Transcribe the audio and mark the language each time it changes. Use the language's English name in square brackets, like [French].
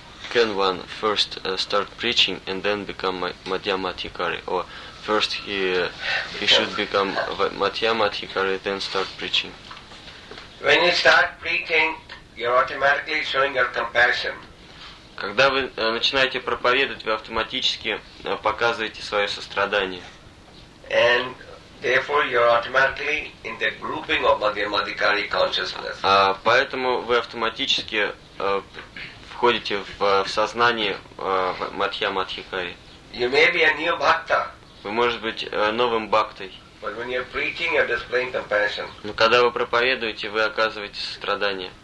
[English] Can one first start preaching and then become Madhya Madhikari, or first he should become Madhya Madhikari then start preaching? When you start preaching, you're automatically showing your compassion. [Russian] Когда вы начинаете проповедовать, вы автоматически показываете свое сострадание. [English] And therefore, you're automatically in the grouping of Madhya Madhikari consciousness. [Russian] Поэтому вы автоматически входите в сознание Мадхья Мадхикари. [English] You may be a new bhakta. [Russian] Вы можете быть новым бхактой. [English] But when you're preaching, you're displaying compassion. [Russian] Но когда вы проповедуете, вы оказываете сострадание.